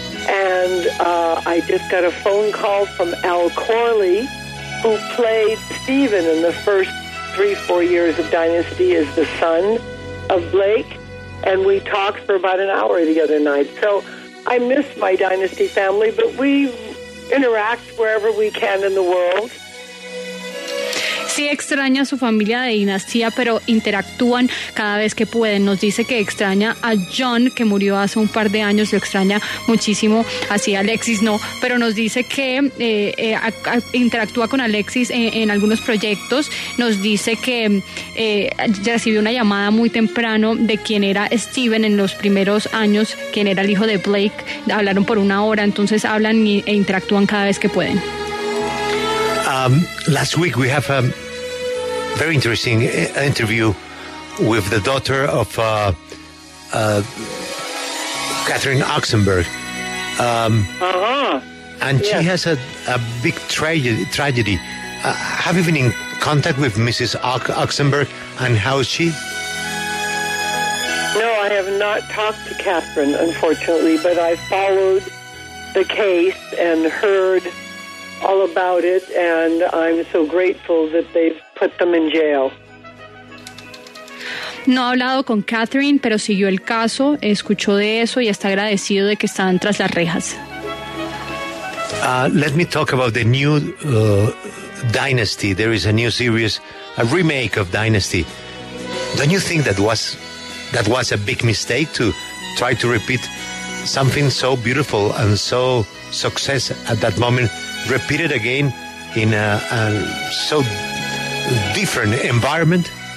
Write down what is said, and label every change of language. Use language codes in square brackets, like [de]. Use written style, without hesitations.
[en] And I just got a phone call from Al Corley, who played Steven in the first 3-4 years of Dynasty as the son of Blake, and we talked for about an hour the other night. So I miss my Dynasty family, but we interact wherever we can in the world. [es] sí extraña a su familia de dinastía, pero interactúan cada vez que pueden. Nos dice que extraña a John, que murió hace un par de años, lo extraña muchísimo, así Alexis no, pero nos dice que interactúa con Alexis en algunos proyectos. Nos dice que recibió una llamada muy temprano de quien era Steven en los primeros años, quien era el hijo de Blake. Hablaron por una hora, entonces hablan e interactúan cada vez que pueden. [en] Last week we have a very interesting interview with the daughter of Catherine Oxenberg. And she has a big tragedy. Have you been in contact with Mrs. Oxenberg, and how is she? No, I have not talked to Catherine, unfortunately, but I followed the case and heard all about it, and I'm so grateful that they've put them in jail. [es] No ha hablado con Catherine, pero siguió el caso, escuchó de eso y está agradecido de que están tras las rejas. [en] Let me talk about the new Dynasty. There is a new series, a remake of Dynasty. Don't you think that was a big mistake to try to repeat something so beautiful and so success at that moment, repeat it again in a so different environment?